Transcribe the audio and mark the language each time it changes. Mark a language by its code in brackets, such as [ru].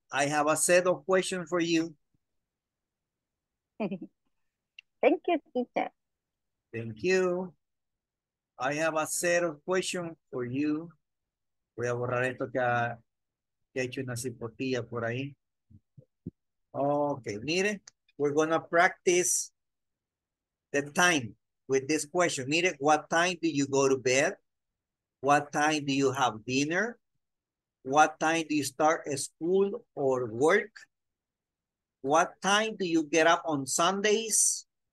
[en] I have a set of questions for you. Thank you, teacher. Thank you. I have a set of questions for you. [es] Voy a borrar esto que ha hecho una cipotilla por ahí. [en] Okay, mire, we're gonna practice the time with this question. Mire, what time do you go to bed? What time do you have dinner? What time do you start school or work? What time do you get up on Sundays?